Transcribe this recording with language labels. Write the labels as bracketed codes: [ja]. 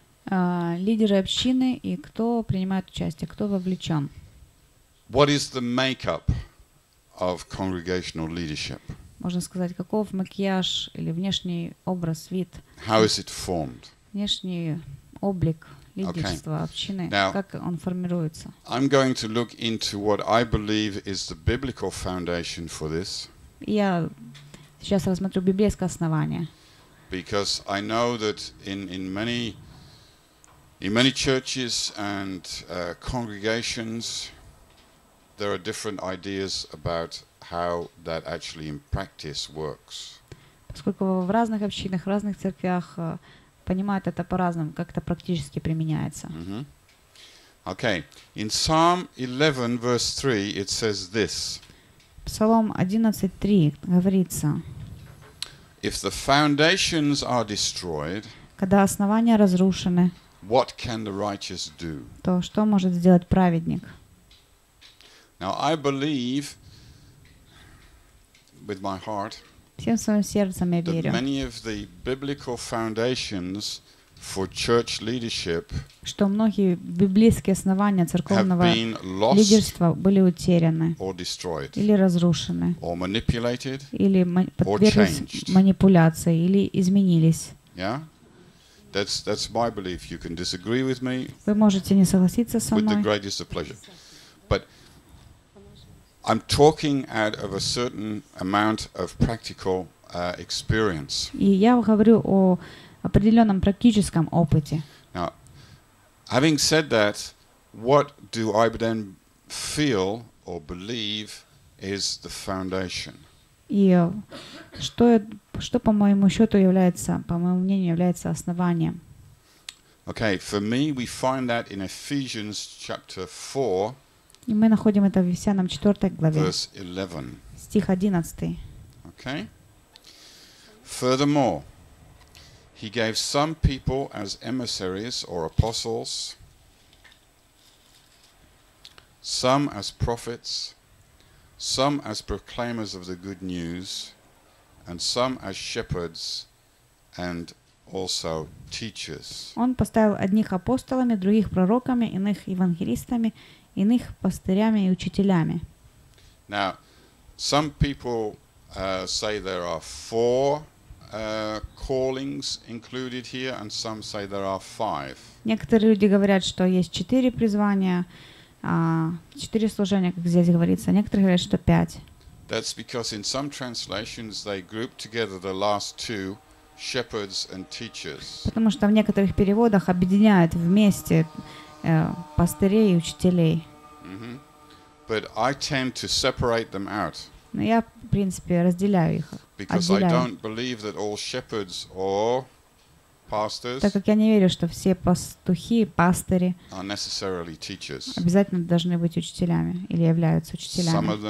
[ru] Лидеры общины и кто принимает участие, кто вовлечен. [en] What is the makeup of congregational leadership? [ru] Можно сказать, каков макияж или внешний образ, вид? [en] How is it formed? [ru] Внешний облик лидерства общины, как он формируется? [en] I'm going to look into what I believe is the biblical foundation for this. [ru] Я сейчас рассмотрю библейское основание. [en] Because I know that in many churches and congregations there are different ideas about how that actually in practice works. [ru] Поскольку в разных общинах, в разных церквях понимают это по-разному, как это практически применяется. [en] Okay. In Psalm 11 verse 3 it says this. [ru] Псалом 11:3 говорится. [en] If the foundations are destroyed, [ru] когда основания разрушены, [en] what can the righteous do? [ru] То что может сделать праведник? [en] Now I believe with my heart [ru] всем своим сердцем я верю, [en] that many of the biblical foundations for church leadership, [ru] что многие библейские основания церковного лидерства были утеряны или разрушены [en] or manipulated, [ru] или подверглись манипуляции или изменились. [en] Yeah? That's my belief. You can disagree with me. [ru] Вы можете не согласиться со мной. [en] With the greatest of pleasure. But I'm talking out of a certain amount of practical experience. [ru] И я говорю о определенном практическом опыте. [en] Now, having said that, what do I then feel or believe is the foundation? [ru] И что по моему счету является, по моему мнению, является основанием. [en] Okay, for me we find that in Ephesians chapter 4. [ru] И мы находим это в Ефесянам 4 главе. [en] Verse 11. [ru] Стих 11. [en] Okay. Furthermore, he gave some people as emissaries or apostles, some as prophets, some as proclaimers of the good news, and some as shepherds, and also teachers. [ru] Он поставил одних апостолами, других пророками, иных евангелистами, иных пастырями и учителями. [en] Now, some people say there are four callings included here, and some say there are five. [ru] Некоторые люди говорят, что есть четыре призвания. Четыре служения, как здесь говорится. Некоторые говорят, что пять. [en] That's because in some translations they group together the last two, shepherds and teachers. [ru] Потому что в некоторых переводах объединяют вместе пастырей и учителей. [en] But I tend to separate them out. [ru] Но я, в принципе, разделяю их. [en] Because I don't believe that all shepherds or [ru] так как я не верю, что все пастухи, пастыри обязательно должны быть учителями или являются учителями.